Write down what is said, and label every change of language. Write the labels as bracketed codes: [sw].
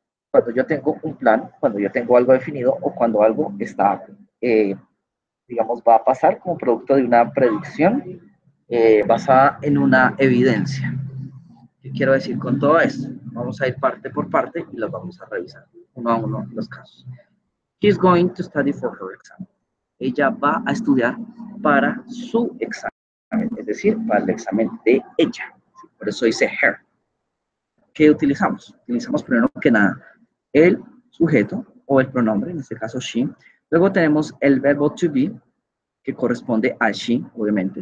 [es] Cuando yo tengo un plan, cuando yo tengo algo definido o cuando algo está, digamos, va a pasar como producto de una predicción basada en una evidencia. ¿Qué quiero decir con todo esto? Vamos a ir parte por parte y las vamos a revisar uno a uno los casos. [en] He's going to study for her exam. [es] Ella va a estudiar para su examen, es decir, para el examen de ella. Por eso dice her. ¿Qué utilizamos? Utilizamos primero que nada el sujeto o el pronombre, en este caso she. Luego tenemos el verbo to be, que corresponde a she, obviamente.